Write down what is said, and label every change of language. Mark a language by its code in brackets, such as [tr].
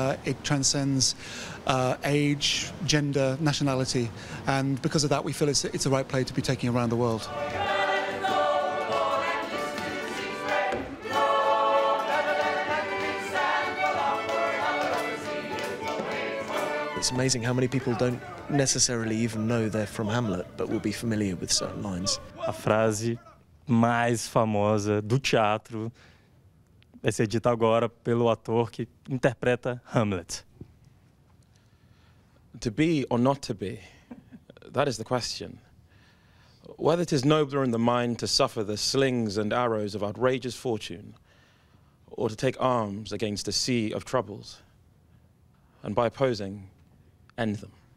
[en] It transcends age, gender, nationality, and because of that, we feel it's the right play to be taking around the world. It's amazing how many people don't necessarily even know they're from Hamlet, but will be familiar with certain lines. [pt] A frase mais famosa do teatro vai ser dita agora pelo ator que interpreta Hamlet. [en] To be or not to be, that is the question. Whether it is nobler in the mind to suffer the slings and arrows of outrageous fortune, or to take arms against a sea of troubles, and by opposing, end them.